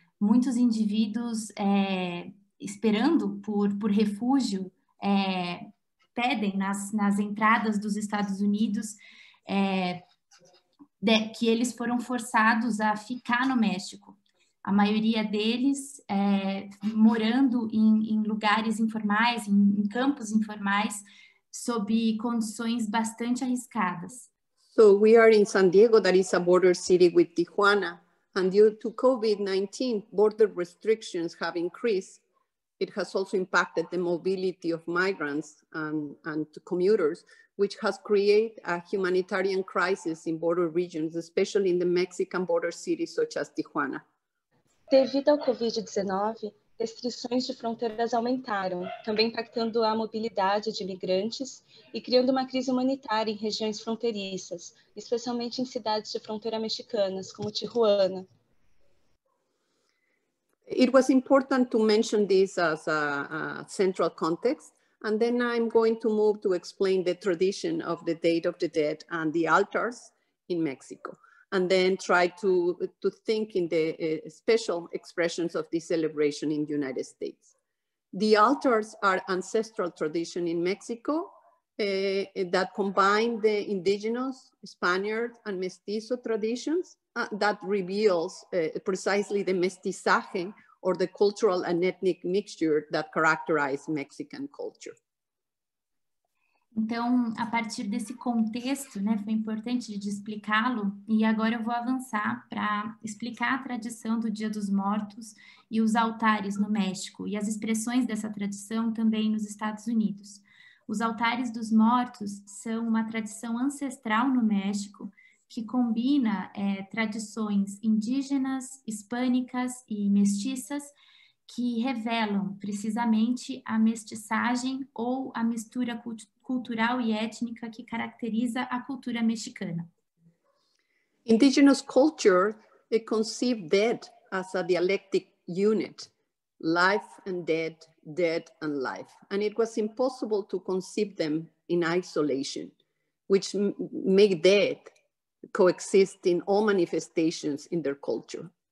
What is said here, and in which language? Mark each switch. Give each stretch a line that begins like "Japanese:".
Portuguese: Muitos indivíduos esperando por refúgio pedem nas entradas dos Estados Unidos que eles foram forçados a ficar no México. A maioria deles morando em lugares informais, em campos informais, sob condições bastante arriscadas.
English: So we are in San Diego, that is a border city with Tijuana, and due to COVID-19, border restrictions have increased, it has also impacted the mobility of migrants and commuters, which has created a humanitarian crisis in border regions, especially in the Mexican border cities such as Tijuana.
Portuguese: Devido ao COVID-19, restrições de fronteiras aumentaram, também impactando a mobilidade de migrantes e criando uma crise humanitária em regiões fronteiriças, especialmente em cidades de fronteira mexicanas, como Tijuana.
English: It was important to mention this as a central context, and then I'm going to move to explain the tradition of the date of the dead and the altars in Mexico, and then try to think in the special expressions of this celebration in the United States. The altars are ancestral tradition in Mexico that combine the indigenous, Spaniards, and mestizo traditions that reveals precisely the mestizaje or the cultural and ethnic mixture that characterize Mexican culture.
Portuguese: Então, a partir desse contexto, né, foi importante de explicá-lo, e agora eu vou avançar para explicar a tradição do Dia dos Mortos e os altares no México, e as expressões dessa tradição também nos Estados Unidos. Os altares dos mortos são uma tradição ancestral no México que combina tradições indígenas, hispânicas e mestiças que revelam precisamente a mestiçagem ou a mistura cultural e étnica que caracteriza a cultura mexicana.
English: Indigenous culture conceive dead as a dialectic unit, life and dead, dead and life. And it was impossible to conceive them in isolation, which make dead coexist in all manifestations in their culture.